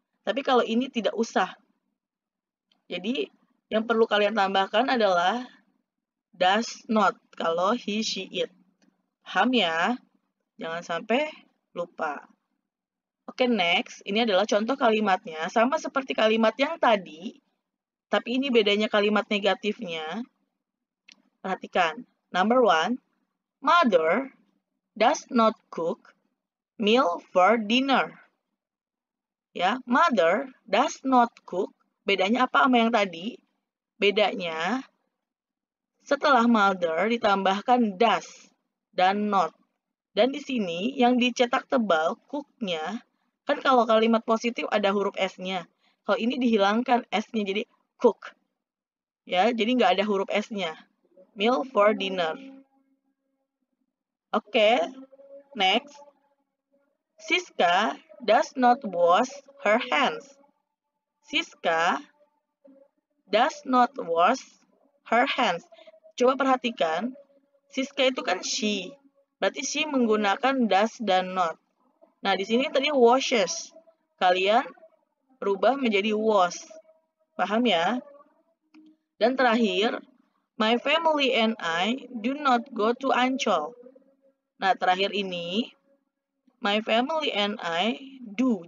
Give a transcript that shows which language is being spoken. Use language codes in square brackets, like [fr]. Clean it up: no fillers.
[id] Tapi kalau ini tidak usah. Jadi, yang perlu kalian tambahkan adalah [en] does not [id] kalau [en] he, she, it. [id] Paham ya? Jangan sampai lupa. Oke, [en] next. [id] Ini adalah contoh kalimatnya. Sama seperti kalimat yang tadi, tapi ini bedanya kalimat negatifnya. Perhatikan. [en] Number one, mother does not cook meal for dinner. Ya, mother does not cook. [id] Bedanya apa sama yang tadi? Bedanya, setelah mother ditambahkan does dan not. Dan di sini, yang dicetak tebal, cook-nya, kan kalau kalimat positif ada huruf S-nya. Kalau ini dihilangkan S-nya, jadi cook. Ya, jadi nggak ada huruf S-nya. [en] Meal for dinner. Oke, next. Siska does not wash her hands. Siska does not wash her hands. [id] Coba perhatikan, Siska itu kan she. Berarti she menggunakan does dan not. Nah, di sini tadi washes. Kalian rubah menjadi wash. Paham ya? [en] Dan terakhir, my family and I do not go to Ancol. [id] Nah, terakhir ini, [en] my family and I do.